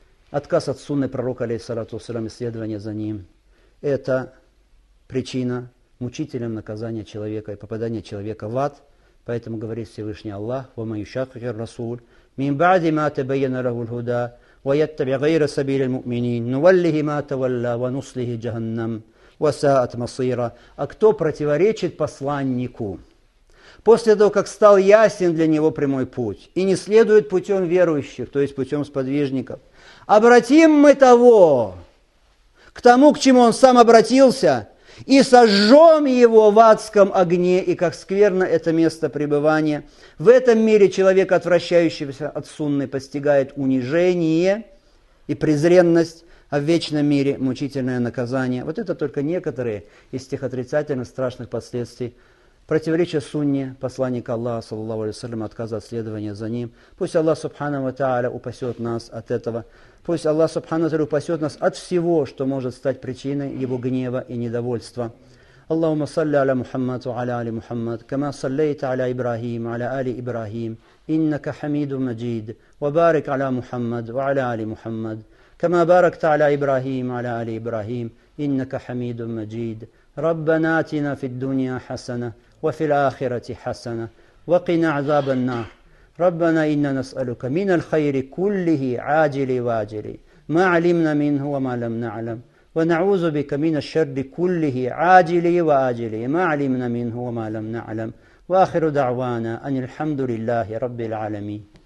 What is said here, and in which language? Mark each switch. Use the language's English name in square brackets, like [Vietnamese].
[Russian] Отказ от сунны пророка, алейхиссалату вассалям, следование за ним. Это причина мучителям наказания человека и попадания человека в ад. Поэтому говорит Всевышний Аллах: [Arabic] «Вама юшакхир расуль, мин бааде ма табайяна лахул худа». ويتبع غير سبيل المؤمنين نوله ما تولى ونصله جهنم وساءت مصيرا. [Russian] А кто противоречит посланнику после того, как стал ясен для него прямой путь, и не следует путем верующих, то есть путем сподвижников, обратим мы того к тому, к чему он сам обратился, и сожжем его в адском огне, и как скверно это место пребывания. В этом мире человек, отвращающийся от сунны, постигает унижение и презренность, а в вечном мире мучительное наказание. Вот это только некоторые из тех отрицательных, страшных последствий. Противоречие сунне, посланник Аллаха, саллаллаху алейхи ва саллям, отказа от следования за ним. Пусть Аллах, субхана ва тааля, упасет нас от этого. Пусть Аллах, субхана ва тааля, упасет нас от всего, что может стать причиной его гнева и недовольства. [Arabic] Аллахумма салли аля Мухаммад ва аля али Мухаммад, кама саллейта аля Ибрахим ва аля али Ибрахим, иннака хамиду маджид, ва барик аля Мухаммад ва аля али Мухаммад, кама баракта аля Ибрахим ва аля али Ибрахим, иннака хамиду маджид. ربنا آتنا في الدنيا حسنة وفي الآخرة حسنة وقنا عذاب النار. ربنا إنا نسألك من الخير كله عاجل واجل ما علمنا منه وما لم نعلم، ونعوذ بك من الشر كله عاجل واجل ما علمنا منه وما لم نعلم. وآخر دعوانا أن الحمد لله رب العالمين.